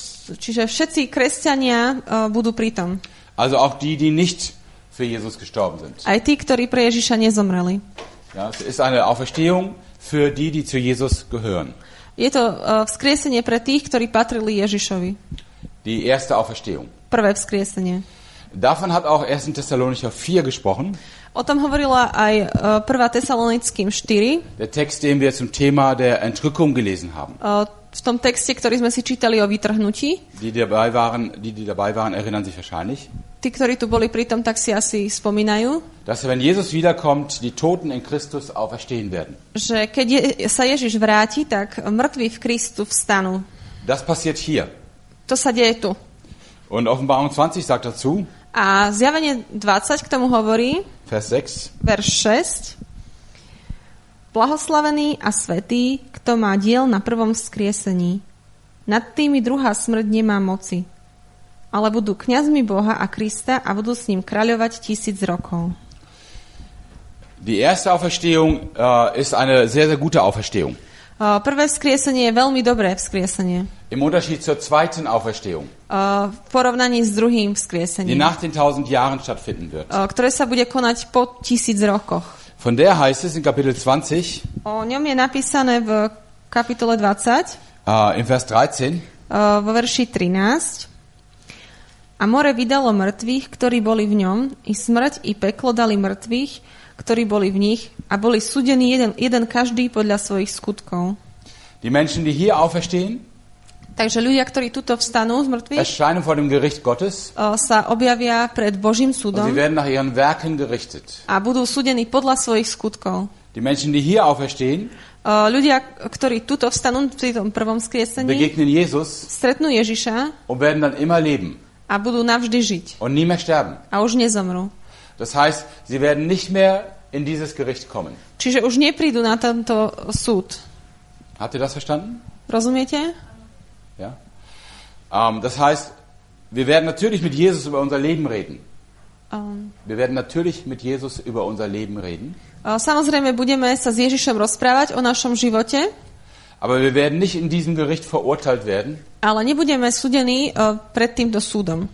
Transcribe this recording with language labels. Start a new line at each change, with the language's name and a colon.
Slovak: Čiže všetci kresťania budú pritom.
German: Also auch die, die nicht für Jesus gestorben sind.
Slovak: Aj tí, ktorí pre Ježiša nezomreli.
German: Ja, es ist eine Auferstehung für die, die zu Jesus gehören.
Slovak: Je to vzkriesenie pre tých, ktorí patrili Ježišovi.
German: Die erste Auferstehung.
Slovak: Prvé vzkriesenie.
German: Davon hat auch 1. Thessalonicher 4 gesprochen.
Slovak: O tom hovorila aj 1. Thessalonickým 4.
German: Der Text, den wir zum Thema der Entrückung gelesen haben.
Slovak: V tom texte, ktorý sme si čítali o vytrhnutí.
German: Die dabei waren, erinnern sich wahrscheinlich.
Slovak: Tí, ktorí tu boli pritom, tak si asi spomínajú.
German: Dass wenn Jesus wiederkommt, die Toten in Christus auferstehen werden.
Slovak: Že keď sa Ježiš vráti, tak mŕtvi v Kristu vstanú.
German: Das passiert hier.
Slovak: To sa deje tu.
German: Und Offenbarung 20 sagt dazu.
Slovak: A Zjavenie 20 k tomu hovorí.
German: Vers 6.
Slovak: Blahoslavený a svätý, kto má diel na prvom vzkriesení. Nad tými druhá smrť nemá moci. Ale budú kňazmi Boha a Krista a budú s ním kráľovať 1000 rokov.
German: Die erste Auferstehung ist eine sehr, sehr gute Auferstehung.
Slovak: Prvé vzkriesenie je veľmi dobré vzkriesenie.
German: Im Unterschied zur zweiten Auferstehung.
Slovak: V porovnaní s druhým vzkriesením.
German: Die nach den 1000 Jahren stattfinden wird.
Slovak: Ktoré sa bude konať po 1000 rokoch.
German: Von der heißt es in Kapitel 20.
Slovak: O ňom je napísané v kapitole 20.
German: In Vers 13.
Slovak: Vo verši 13. A more vydalo mŕtvych, ktorí boli v ňom, i smrť, i peklo dali mŕtvych, ktorí boli v nich, a boli súdení jeden každý podľa svojich skutkov.
German: Die Menschen, die hier auferstehen,
Slovak: takže ľudia, ktorí tuto vstanú z mŕtvych,
German: erscheinen vor dem Gericht Gottes,
Slovak: sa objavia pred Božím súdom,
German: und sie werden nach ihren Werken gerichtet.
Slovak: A budú súdení podľa svojich skutkov.
German: Die Menschen, die hier auferstehen,
Slovak: ľudia, ktorí tuto vstanú v tom prvom vzkriesení,
German: begegnen Jesus,
Slovak: stretnú Ježiša,
German: und werden dann immer leben,
Slovak: a budú navždy žiť,
German: und nie mehr sterben,
Slovak: a už nezomrú.
German: Das heißt, sie werden nicht mehr in dieses Gericht kommen.
Slovak: Čiže už neprídu na tento súd.
German: Habt ihr das verstanden?
Slovak: Rozumiete?
German: Ja. Das heißt, wir werden natürlich mit Jesus über unser Leben reden. Wir werden natürlich mit Jesus über unser Leben reden.
Slovak: Samozrejme budeme sa s Ježišom rozprávať o našom živote.
German: Aber wir werden nicht in diesem Gericht verurteilt werden.
Slovak: Ale nebudeme súdení pred týmto súdom.